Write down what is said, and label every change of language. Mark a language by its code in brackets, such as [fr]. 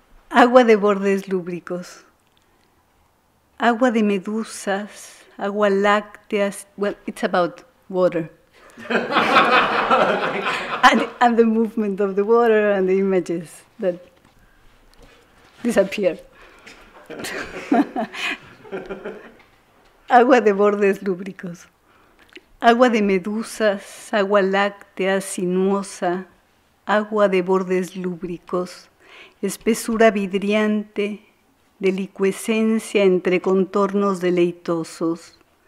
[es] Agua de bordes lúbricos, agua de medusas, agua lácteas. [en] Well, it's about water and the movement of the water and the images that disappear. [es] Agua de bordes lúbricos, agua de medusas, agua láctea, sinuosa, agua de bordes lúbricos, espesura vidriante, delicuescencia entre contornos deleitosos,